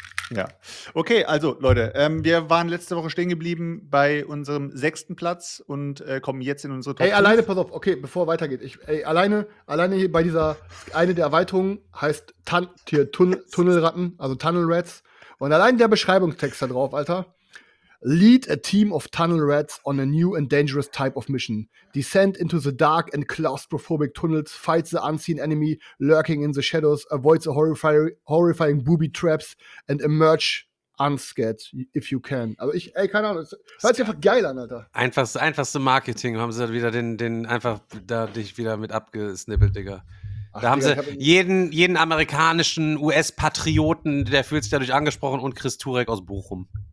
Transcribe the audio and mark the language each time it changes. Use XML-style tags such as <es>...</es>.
<de>Ja, okay, also Leute, wir waren letzte Woche stehen geblieben bei unserem 6. Platz und kommen jetzt in unsere Top 5. Ey, alleine, pass auf, okay, bevor weitergeht. Alleine hier bei dieser, eine der Erweiterungen heißt Tunnelratten, also Tunnel Rats. Und allein der Beschreibungstext da drauf, Alter.</de> <en>Lead a team of Tunnel Rats on a new and dangerous type of mission. Descend into the dark and claustrophobic tunnels. Fight the unseen enemy lurking in the shadows. Avoid the horrifying booby traps and emerge unscathed if you can.</en> <de>Aber ich, ey, keine Ahnung, das hört sich einfach geil an, Alter. Einfachste Marketing, haben sie wieder den einfach da dich wieder mit abgesnippelt, Digga. Ach, da haben sie jeden amerikanischen US-Patrioten, der fühlt sich dadurch angesprochen, und Chris Turek aus Bochum.</de>